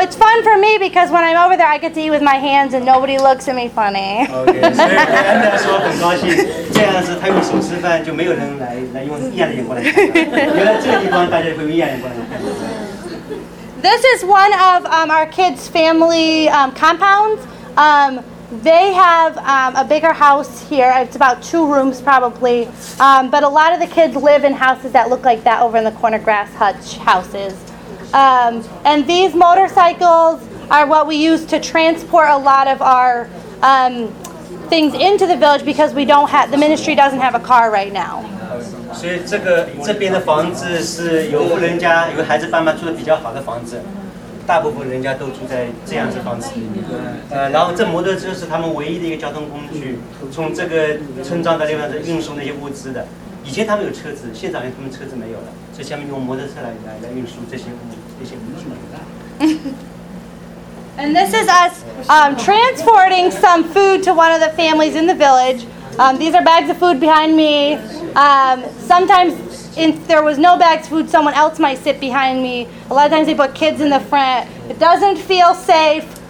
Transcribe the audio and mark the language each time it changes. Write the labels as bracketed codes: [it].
[en] it's fun for me because when I'm over there, I get to eat with my hands and nobody looks at me funny. [zh] Okay, 所以对他来说很高兴，这样子他用手吃饭就没有人来用异样的眼光来看。原来这个地方大家会用异样的眼光来看。 [en] This is one of our kids' family compounds. They have a bigger house here. It's about two rooms probably. But a lot of the kids live in houses that look like that over in the corner, grass hutch houses. And these motorcycles are what we use to transport a lot of our things into the village because the ministry doesn't have a car right now. [zh] 所以这边的房子是有孩子爸妈住的比较好的房子，大部分人家都住在这样子房子里面。然后这摩托车是他们唯一的一个交通工具，从这个村庄到另外的运输那些物资的。以前他们有车子，现在他们车子没有了，所以下面用摩托车来运输这些物资。 [en] And this is us transporting some food to one of the families in the village. These are bags of food behind me. Sometimes, if there was no bags of food, someone else might sit behind me. A lot of times they put kids in the front. It doesn't feel safe,